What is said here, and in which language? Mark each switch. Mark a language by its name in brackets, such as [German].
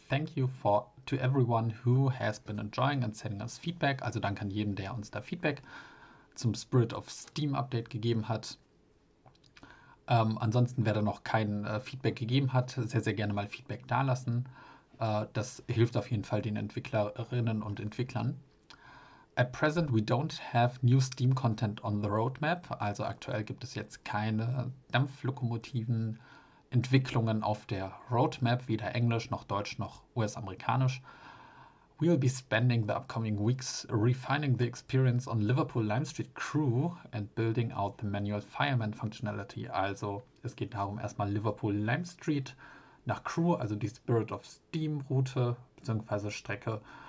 [English] Thank you to everyone who has been enjoying and sending us feedback. [German] Also danke an jeden, der uns da Feedback zum Spirit of Steam Update gegeben hat. Ansonsten, wer da noch kein Feedback gegeben hat, sehr, sehr gerne mal Feedback dalassen. Das hilft auf jeden Fall den Entwicklerinnen und Entwicklern. [English] At present, we don't have new Steam Content on the Roadmap. [German] Also aktuell gibt es jetzt keine Dampflokomotiven-Entwicklungen auf der Roadmap, weder Englisch noch Deutsch noch US-amerikanisch. [English] We'll be spending the upcoming weeks refining the experience on Liverpool Lime Street Crew and building out the manual fireman functionality. [German] Also es geht darum, erstmal Liverpool Lime Street nach Crew, also die Spirit of Steam Route bzw. Strecke.